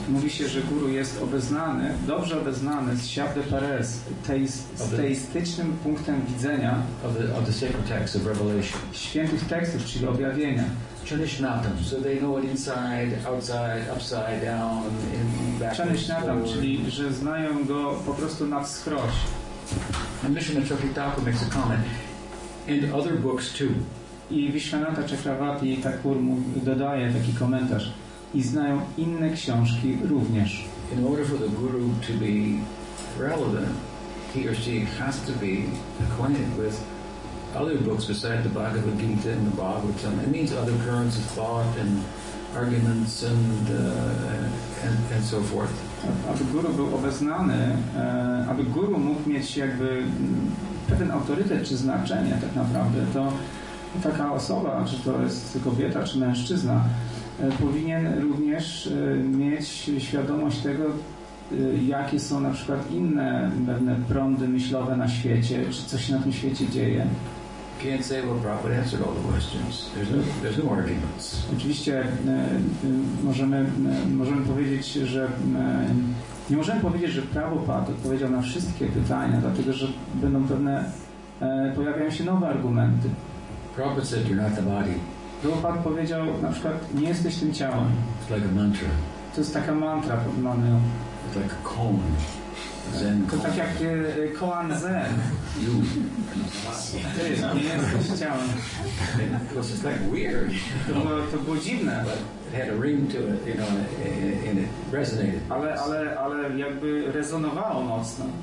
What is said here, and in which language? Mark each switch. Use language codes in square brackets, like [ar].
[pl] Mówi się, że guru jest obeznany, dobrze obeznany z shabde pare, z teistycznym punktem widzenia [en] of the sacred text of revelation. [pl] Świętych tekstów, czyli objawienia. [en] Chanishnatam, so they know it inside, outside, upside down, in backwards. [pl] Chanishnatam, czyli że znają go po prostu na wskroś. [en] And Mishana Chakravarti makes a comment, and other books too. [pl] I Vishwanatha Chakravarti Thakur dodaje taki komentarz, i znają inne książki również. [en] In order for the guru to be relevant, he or she has to be acquainted with other books besides the Bhagavad Gita and the Bhagavatam. It means other currents of thought and arguments and so forth. [pl] Aby guru był obeznany, aby guru mógł mieć jakby pewien autorytet czy znaczenie tak naprawdę, to taka osoba, czy to jest kobieta czy mężczyzna, powinien również mieć świadomość tego, jakie są na przykład inne pewne prądy myślowe na świecie, czy co się na tym świecie dzieje. [en] Can't say what Prabhupada answered all the questions. There's no arguments. [pl] Oczywiście możemy powiedzieć, że nie możemy powiedzieć, że Prabhupada odpowiedział na wszystkie pytania, dlatego że będą pewne pojawiają się nowe argumenty. [en] Prabhupada said you're not the body. [pl] Prabhupada powiedział na przykład, nie jesteś tym ciałem. [en] It's like a mantra. [pl] To jest taka mantra, mamy ją. [en] It's like a koan. Zen [pl] to tak jak koan zen. [en] You. [pl] To jest, nie jesteś ciałem. [en] Because it's like weird. [pl] No, to było dziwne. [en] But it had a ring to it, you know, and it resonated. [pl] Ale jakby rezonowało mocno.